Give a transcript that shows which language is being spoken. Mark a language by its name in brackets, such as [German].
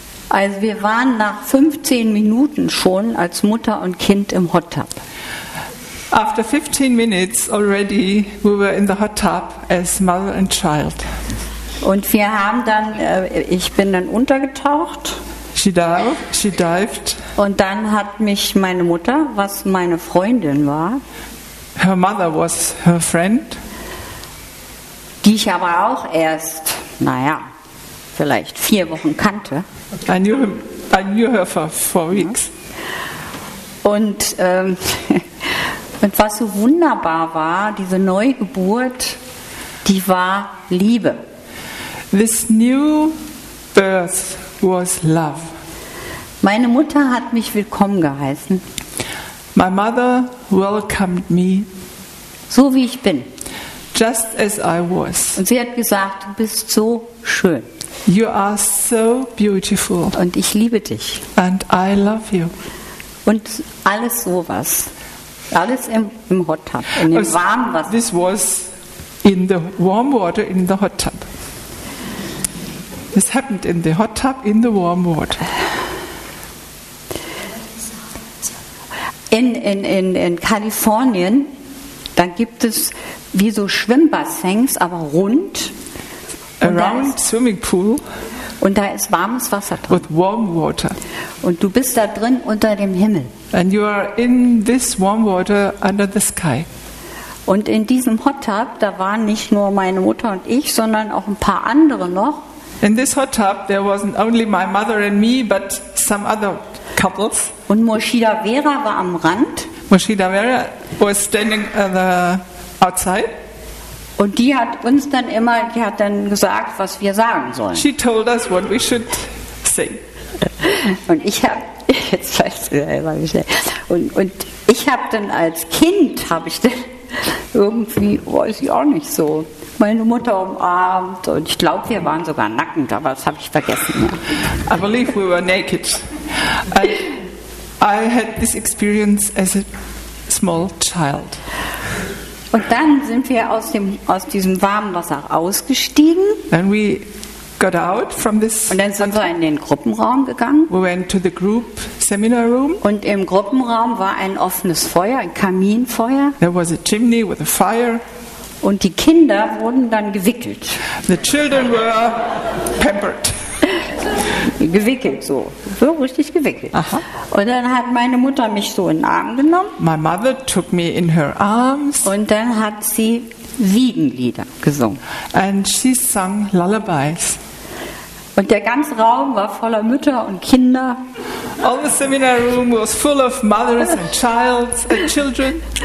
[German] Also wir waren nach 15 Minuten schon als Mutter und Kind im Hot Tub. [English] After 15 minutes already we were in the hot tub as mother and child. [German] Und wir haben dann, ich bin dann untergetaucht. [English] She dived. [German] Und dann hat mich meine Mutter, was meine Freundin war, [English] her mother was her friend, [German] die ich aber auch erst, vielleicht 4 Wochen kannte. [English] I knew her for 4 weeks. [German] Und was so wunderbar war, diese Neugeburt, die war Liebe. [English] This new birth was love. [German] Meine Mutter hat mich willkommen geheißen. [English] My mother welcomed me. [German] So wie ich bin. [English] Just as I was. [German] Und sie hat gesagt, du bist so schön. [English] You are so beautiful. [German] Und ich liebe dich. [English] And I love you. [German] Und alles sowas. Alles im Hot Tub, in dem warmen Wasser. [English] This was in the warm water in the hot tub. This happened in the hot tub in the warm water. [German] In Kalifornien, da gibt es wie so Schwimmbassins, aber rund. [English] Around swimming pool. [German] Und da ist warmes Wasser drin. [English] With warm water. [German] Und du bist da drin unter dem Himmel. [English] And you are in this warm water under the sky. [German] Und in diesem Hot Tub, da waren nicht nur meine Mutter und ich, sondern auch ein paar andere noch. [English] In this hot tub, there wasn't only my mother and me, but some other couples. [German] Und Murshida Vera war am Rand. [English] Murshida Vera was standing outside. [German] Und die hat uns dann immer, die hat dann gesagt, was wir sagen sollen. [English] She told us what we should say. [German] Und ich habe jetzt weiß ich selber nicht mehr. Und ich habe dann als Kind habe ich dann irgendwie weiß ich auch nicht so. Meine Mutter umarmt und ich glaube, wir waren sogar nackend, aber das habe ich vergessen. [English] I believe we were naked. And I had this experience as a small child. [German] Und dann sind wir aus diesem warmen Wasser ausgestiegen. [English] Then we got out from this. [German] Und dann sind wir in den Gruppenraum gegangen. [English] We went to the group seminar room. [German] Und im Gruppenraum war ein offenes Feuer, ein Kaminfeuer. [English] There was a chimney with a fire. [German] Und die Kinder wurden dann gewickelt. [English] The children were pampered. [German] Gewickelt so. So richtig gewickelt. Aha. Und dann hat meine Mutter mich so in den Arm genommen. [English] My mother took me in her arms. [German] Und dann hat sie Wiegenlieder gesungen. [English] And she sang lullabies. [German] Und der ganze Raum war voller Mütter und Kinder. [English] All the seminar room was full of mothers and childs and children.